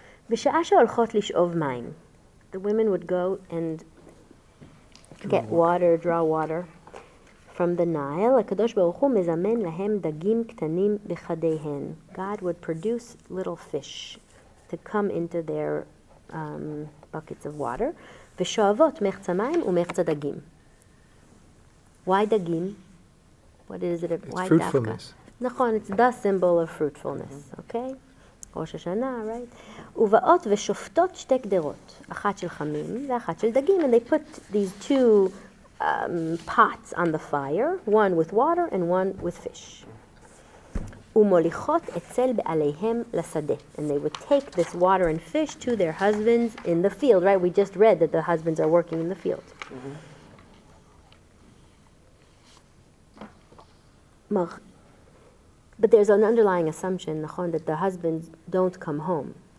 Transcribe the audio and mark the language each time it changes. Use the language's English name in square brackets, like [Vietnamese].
[Hebrew] בשעה שהולכות לשאוב מים, [English] the women would go and get water, draw water from the Nile. [Hebrew] הקדוש ברוך הוא מזמן להם דגים קטנים בחדיהן. [English] God would produce little fish to come into their buckets of water. [Hebrew] ושואבות מחץ המים ומחץ הדגים. [English] Why dagim? What is it? It's fruitfulness. נכון, it's the symbol of fruitfulness, okay? [Hebrew] ראש השנה, right? ובאות ושופטות שתי גדרות, אחת של חמים ואחת של דגים, [English] and they put these two pots on the fire, one with water and one with fish. [Hebrew] ומוליכות אצל בעליהם לשדה. [English] And they would take this water and fish to their husbands in the field, right? We just read that the husbands are working in the field. But there's an underlying assumption, נכון, that the husbands don't come home.